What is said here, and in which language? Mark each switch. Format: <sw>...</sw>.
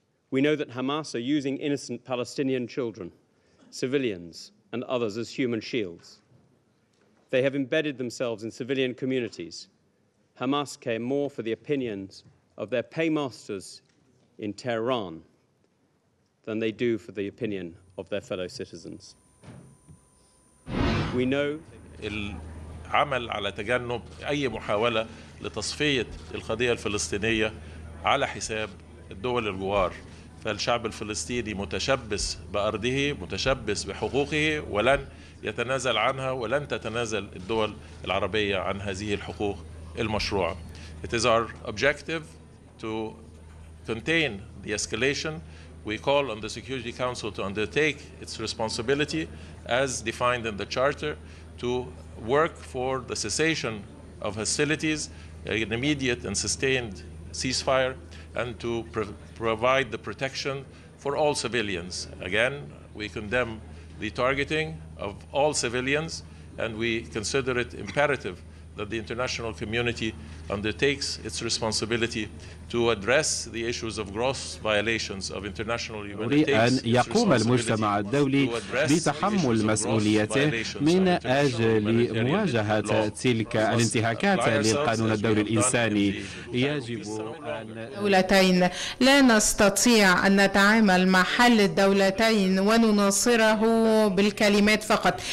<en>We know that Hamas are using innocent Palestinian children, civilians, and others as human shields. They have embedded themselves in civilian communities. Hamas care more for the opinions of their paymasters in Tehran than they do for the opinion of their fellow citizens. We know.</en> <ar>العمل على تجنب أي محاولة لتصفية القضية الفلسطينية على حساب الدول الجوار. فالشعب الفلسطيني متشبث بأرضه، متشبث بحقوقه، ولن يتنازل عنها، ولن تتنازل الدول العربية عن هذه الحقوق المشروعة.</ar> <en>It is our objective to contain the escalation. We call on the Security Council to undertake its responsibility as defined in the Charter to work for the cessation of hostilities, an immediate and sustained ceasefire, and to provide the protection for all civilians. Again, we condemn the targeting of all civilians, and we consider it imperative that the international community undertakes its responsibility to address the issues of gross violations of international humanitarian</en> <ar>أن يقوم المجتمع الدولي بتحمل مسؤوليته من أجل مواجهة تلك الانتهاكات للقانون الدولي الإنساني. يجب أن دولتين لا نستطيع أن نتعامل مع حل الدولتين ونناصره بالكلمات فقط.</ar>